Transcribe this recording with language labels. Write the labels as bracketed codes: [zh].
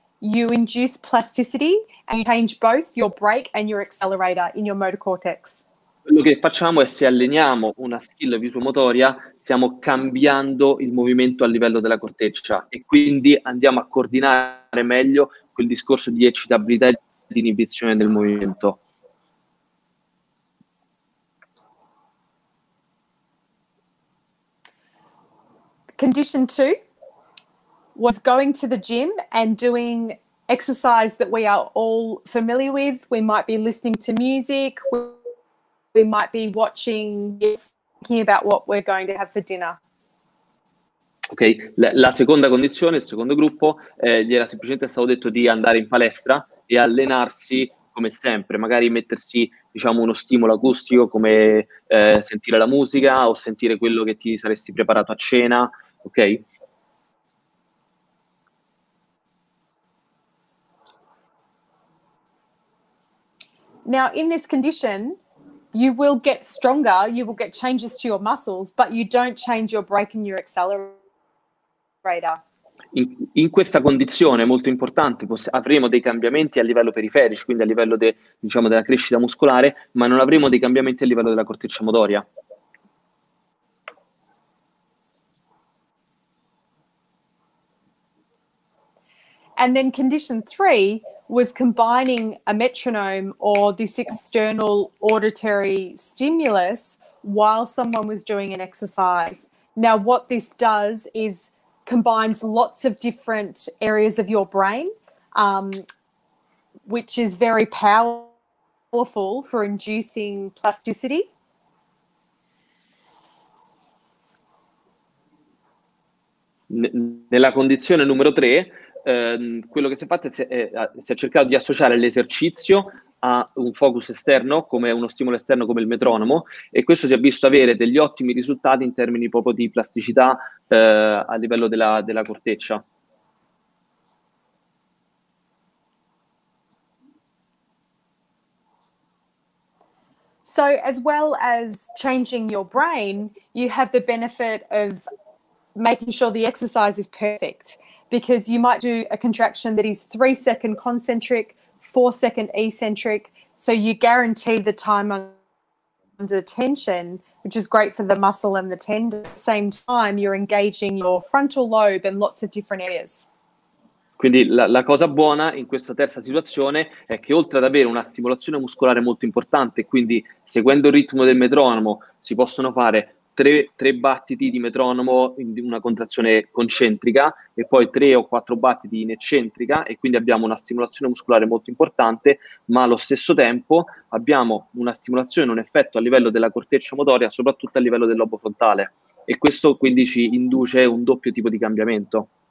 [en] You induce plasticity and you change both your brake and your accelerator in your motor cortex. [it] Quello che facciamo è se alleniamo una skill visuomotoria, stiamo cambiando il movimento a livello della corteccia e quindi andiamo a coordinare meglio quel discorso di eccitabilità e di inibizione del movimento. [en] Condition two was going to the gym and doing exercise that we are all familiar with. We might be listening to music. We might be watching, thinking about what we're going to have for dinner. [it] Ok, la seconda condizione, il secondo gruppo, gli era semplicemente stato detto di andare in palestra e allenarsi come sempre, magari mettersi, diciamo, uno stimolo acustico come sentire la musica o sentire quello che ti saresti preparato a cena, ok? [en] Now, in this condition, you will get stronger, you will get changes to your muscles, but you don't change your brake and your accelerator. [it] In questa condizione, molto importante, avremo dei cambiamenti a livello periferico, quindi a livello diciamo della crescita muscolare, ma non avremo dei cambiamenti a livello della corteccia motoria. [en] And then condition three was combining a metronome or this external auditory stimulus while someone was doing an exercise. Now, what this does is combines lots of different areas of your brain, which is very powerful for inducing plasticity. [it] Nella condizione numero tre, quello che si è fatto si è cercato di associare l'esercizio a un focus esterno, come uno stimolo esterno come il metronomo, e questo si è visto avere degli ottimi risultati in termini proprio di plasticità a livello della corteccia. [en] So, as well as changing your brain, you have the benefit of making sure the exercise is perfect. Because you might do a contraction that is 3 second concentric, 4 second eccentric, so you guarantee the time under tension, which is great for the muscle and the tendon. At the same time, you're engaging your frontal lobe and lots of different areas. [it] Quindi la cosa buona in questa terza situazione è che oltre ad avere una stimolazione muscolare molto importante, quindi seguendo il ritmo del metronomo si possono fare tre battiti di metronomo in una contrazione concentrica e poi tre o quattro battiti in eccentrica, e quindi abbiamo una stimolazione muscolare molto importante, ma allo stesso tempo abbiamo una stimolazione, un effetto a livello della corteccia motoria, soprattutto a livello del lobo frontale, e questo quindi ci induce un doppio tipo di cambiamento.